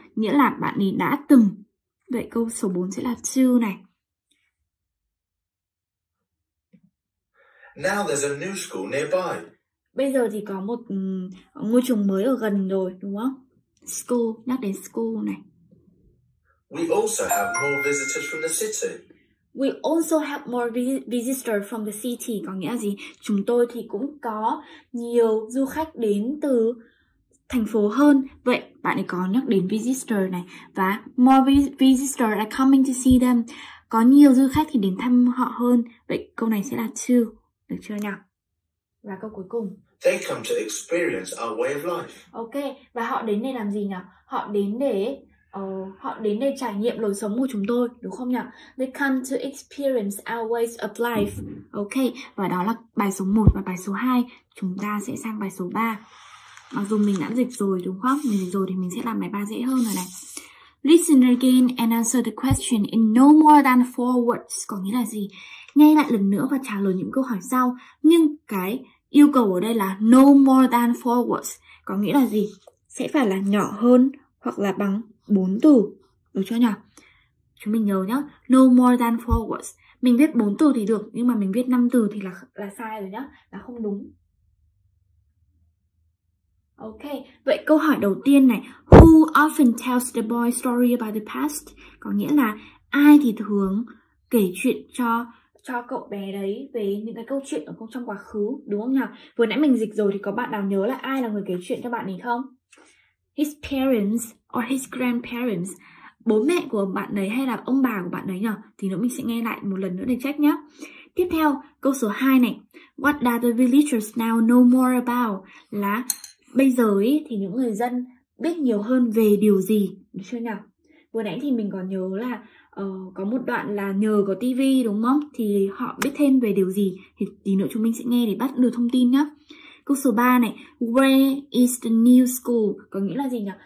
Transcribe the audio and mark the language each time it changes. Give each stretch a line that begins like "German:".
Vietnamese: Nghĩa là bạn ấy đã từng. Vậy câu số 4 sẽ là 2 này.
English: Now there's a new school nearby.
Vietnamese: Bây giờ thì có một ngôi trường mới ở gần rồi, đúng không? School, nhắc đến school này.
English: We also have more visitors from the city. We also have more visitors from the city.
Vietnamese: Có nghĩa là gì? Chúng tôi thì cũng có nhiều du khách đến từ thành phố hơn. Vậy bạn ấy có nhắc đến visitor này. Và
English: more visitors are coming to see them.
Vietnamese: Có nhiều du khách thì đến thăm họ hơn. Vậy câu này sẽ là 2. Được chưa nhỉ? Và câu cuối cùng.
English: They come to experience our way of life.
Vietnamese: Ok, và họ đến để làm gì nhỉ? Họ đến để Họ đến để trải nghiệm lối sống của chúng tôi, đúng không nhỉ?
English: They come to experience our ways of life.
Vietnamese: Ok, và đó là bài số 1 và bài số 2. Chúng ta sẽ sang bài số 3. Mặc dù mình đã dịch rồi, đúng không? Mình dịch rồi thì mình sẽ làm bài 3 dễ hơn rồi này.
English: Listen again and answer the question in no more than 4 words.
Vietnamese: Có nghĩa là gì? Nghe lại lần nữa và trả lời những câu hỏi sau. Nhưng cái yêu cầu ở đây là
English: no more than 4 words.
Vietnamese: Có nghĩa là gì? Sẽ phải là nhỏ hơn hoặc là bằng 4 từ, được chưa nhỉ? Chúng mình nhớ nhá,
English: no more than 4 words.
Vietnamese: Mình viết 4 từ thì được, nhưng mà mình viết 5 từ thì là sai rồi nhá, là không đúng. Ok, vậy câu hỏi đầu tiên này,
English: who often tells the boy story about the past?
Vietnamese: Có nghĩa là ai thì thường kể chuyện cho cậu bé đấy về những cái câu chuyện ở trong quá khứ, đúng không nhỉ? Vừa nãy mình dịch rồi thì có bạn nào nhớ là ai là người kể chuyện cho bạn ấy không?
English: His parents or his grandparents,
Vietnamese: bố mẹ của bạn ấy hay là ông bà của bạn ấy nhỉ? Thì nữa mình sẽ nghe lại một lần nữa để check nhé. Tiếp theo, câu số 2 này.
English: What do the villagers now know more about?
Vietnamese: Là bây giờ ấy, thì những người dân biết nhiều hơn về điều gì, được chưa nhỉ? Vừa nãy thì mình còn nhớ là có một đoạn là nhờ có tivi, đúng không? Thì họ biết thêm về điều gì? Thì tí nữa chúng mình sẽ nghe để bắt được thông tin nhé. Câu số 3 này,
English: where is the new school?
Vietnamese: Có nghĩa là gì nhỉ?